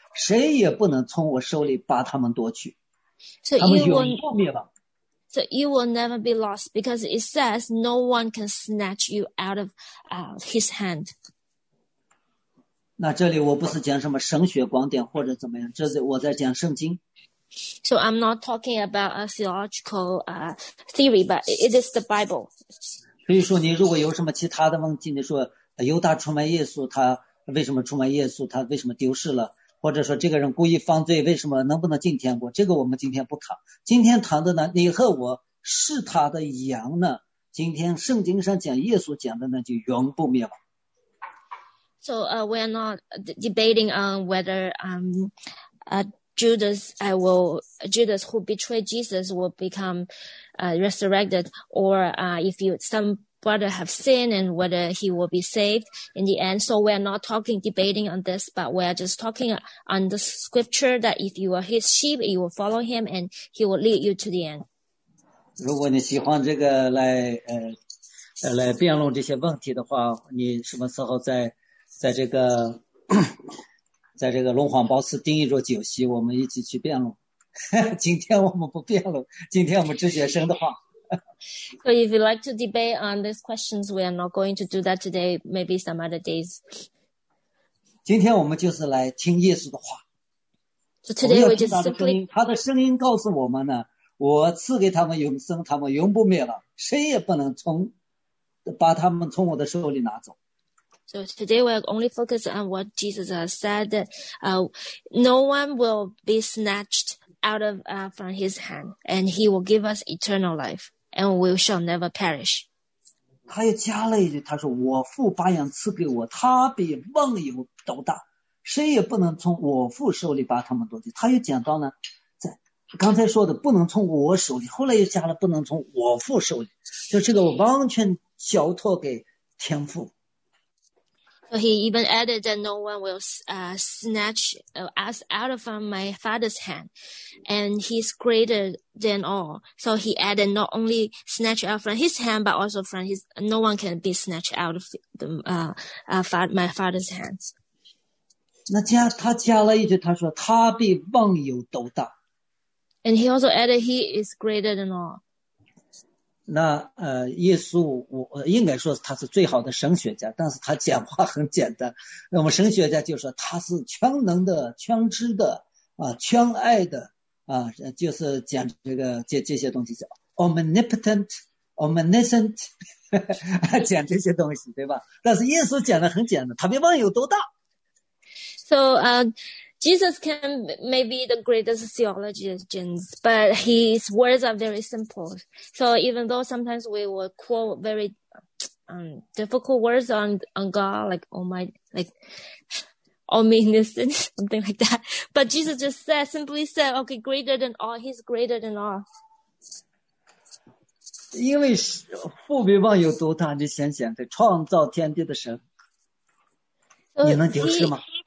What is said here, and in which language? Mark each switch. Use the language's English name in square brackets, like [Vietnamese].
[Chinese] 谁也不能从我手里把他们夺去。 [English] So you will, [Chinese] 他们永不灭亡。 [English] So you will never be lost because it says no one can snatch you out of his hand. [Chinese] 那这里我不是讲什么神学观点或者怎么样，这是我在讲圣经。 [English] So I'm not talking about a theological theory, but it is the Bible. [Chinese] 所以说你如果有什么其他的问题，你说犹大出卖耶稣，他为什么出卖耶稣，他为什么丢失了，或者说这个人故意犯罪，为什么能不能进天国？这个我们今天不谈。今天谈的呢，你和我是他的羊呢。今天圣经上讲，耶稣讲的呢，就永不灭亡。 [English] So we are not debating on whether Judas who betrayed Jesus will become resurrected, or some brother have sinned and whether he will be saved in the end. So we're not talking debating on this, but we're just talking on the scripture that if you are his sheep, you will follow him and he will lead you to the end. [Chinese] 如果你喜欢这个来来辩论这些问题的话，你什么时候在这个龙皇包寺定义做酒席，我们一起去辩论。今天我们不辩论，今天我们直接生的话。 [English] So if you like to debate on these questions, we are not going to do that today. Maybe some other days. [Chinese] 今天我们就是来听耶稣的话。 [English] So today we just simply [Chinese] 他的声音告诉我们呢，我赐给他们永生，他们永不灭了，谁也不能把他们从我的手里拿走。 [English] So today we're only focused on what Jesus has said, that no one will be snatched out of from his hand, and he will give us eternal life, and we shall never perish. [Chinese] 他又加了一句，他说，我父把羊赐给我，他比万有都大，谁也不能从我父手里把他们夺去。他又讲到呢，在刚才说的不能从我手里，后来又加了不能从我父手里，就这个完全交托给天父。 [English] So he even added that no one will snatch us out of my father's hand, and he's greater than all. So he added not only snatch out from his hand, but also from his, no one can be snatched out of the, my father's hands. [Chinese] 那加他加了一句，他说他比万有都大。 [English] And he also added he is greater than all. [Chinese] 那耶稣我应该说他是最好的神学家，但是他讲话很简单。那么神学家就说他是全能的、全知的、全爱的、就是讲这些东西叫 [English] omnipotent, omniscient, [Chinese] 讲这些东西对吧？但是耶稣讲的很简单，他比万有都大。 [English] So, Jesus can maybe the greatest theologians, but his words are very simple. So even though sometimes we will quote very difficult words on God, like omniscient, something like that. But Jesus just simply said, okay, greater than all, he's greater than all. [Chinese] 因为父比万有多大，你想想，对创造天地的神，你能丢失吗？